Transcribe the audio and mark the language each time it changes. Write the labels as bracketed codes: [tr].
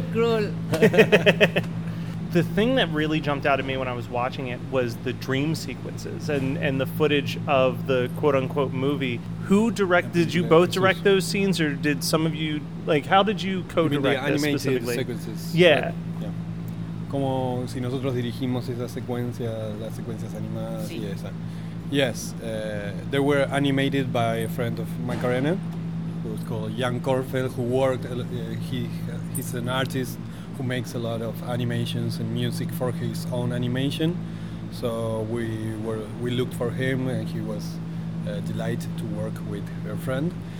[en] Cruel. The thing that really jumped out at me when I was watching it was the dream sequences and the footage of the quote-unquote movie. Who directed, did you both direct those scenes or did some of you, like, how did you co-direct this specifically? The animated sequences. Yeah. [es] como si nosotros dirigimos esas secuencias, las secuencias animadas sí. y esa. [en] Yes, they were animated by a friend of Macarena, who's called Jan Korfel, who worked, he's an artist who makes a lot of animations and music for his own animation. So we looked for him and he was delighted to work with her friend.